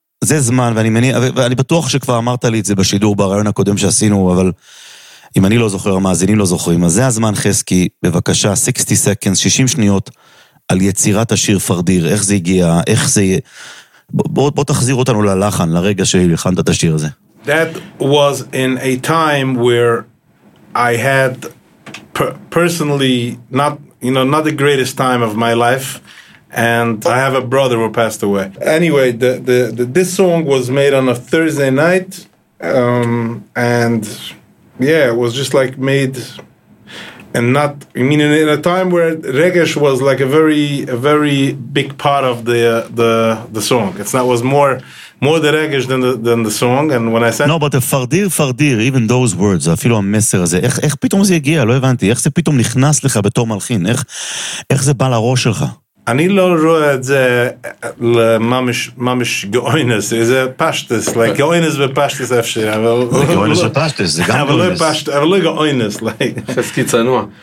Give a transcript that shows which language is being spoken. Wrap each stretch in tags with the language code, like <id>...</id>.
<he>זה זמן, ואני בטוח שכבר אמרת לי את זה בשידור, ברעיון הקודם שעשינו, אבל אם אני לא זוכר, המאזינים לא זוכרים, אז זה הזמן, חסקי, בבקשה,</he> <en>60 seconds,</en> <he>60 שניות, על יצירת השיר פרדיר, איך זה הגיע, איך זה... בוא תחזיר אותנו ללחן, לרגע שהלחנת את השיר הזה.</he> <en>That was in a time where I had personally not, you know, not the greatest time of my life, and I have a brother who passed away. Anyway, the this song was made on a Thursday night, and yeah, it was just like made, and not, I mean, in a time where reggae was like a very big part of the song. It's not, was more the reggae than the song. And when I said no, but the fardir fardir, even those words,</en> <he>אפילו המסר הזה, איך פתאום זה הגיע? לא הבנתי, איך זה פתאום נכנס לך בתור מלחין? איך זה בא לראש שלך? אני לא רואה את זה לממש, ממש גאוינס, זה פשטס, like גאוינס ופשטס אפשר, אבל... גאוינס ופשטס, זה גם גאוינס. אבל לא פשטס, אבל לא גאוינס, like... חסקי צנוע.</he>